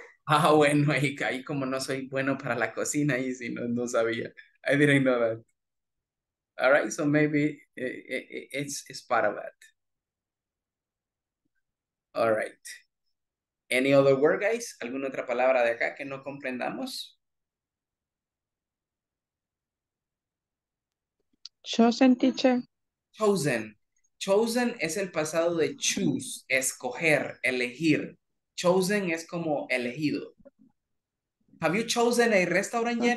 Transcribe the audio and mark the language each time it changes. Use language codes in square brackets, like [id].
[es] Ah, bueno, ahí como no soy bueno para la cocina, y si no sabía. [en] I didn't know that. All right, so maybe it's part of that. All right. Any other word, guys? [es] ¿Alguna otra palabra de acá que no comprendamos? [en] Chosen, teacher. Chosen. [es] Chosen es el pasado de choose, escoger, elegir. Chosen es como elegido. [en] Have you chosen a restaurant yet?